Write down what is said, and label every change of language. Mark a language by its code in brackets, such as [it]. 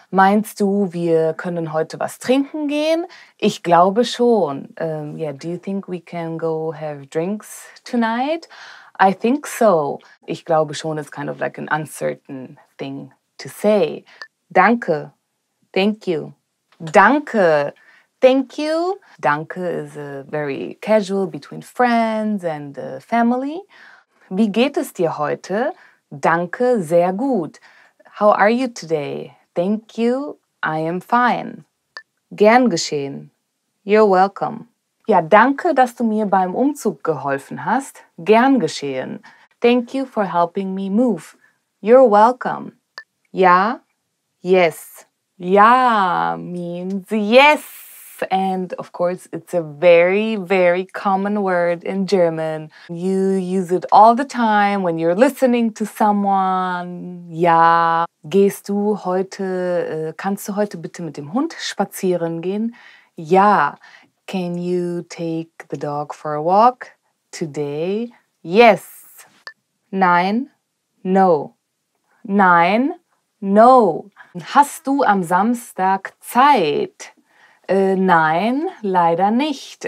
[de] Meinst du, wir können heute was trinken gehen? Ich glaube schon. [en] Do you think we can go have drinks tonight? I think so. [de] Ich glaube schon [en] is kind of like an uncertain thing to say. [de] Danke. [en] Thank you. [de] Danke. [en] Thank you. Danke is a very casual between friends and family. [de] Wie geht es dir heute? Danke, sehr gut. [en] How are you today? Thank you. I am fine. [de] Gern geschehen. [en] You're welcome. [de] Ja, danke, dass du mir beim Umzug geholfen hast. Gern geschehen. [en] Thank you for helping me move. You're welcome. [de] Ja. [en] Yes. Ja means yes. And of course, it's a very, very common word in German. You use it all the time when you're listening to someone. [de] Ja. Gehst du heute, kannst du heute bitte mit dem Hund spazieren gehen? Ja. [en] Can you take the dog for a walk today? Yes. [de] Nein. [en] No. [de] Nein. [en] No. [de] Hast du am Samstag Zeit? Nein, leider nicht.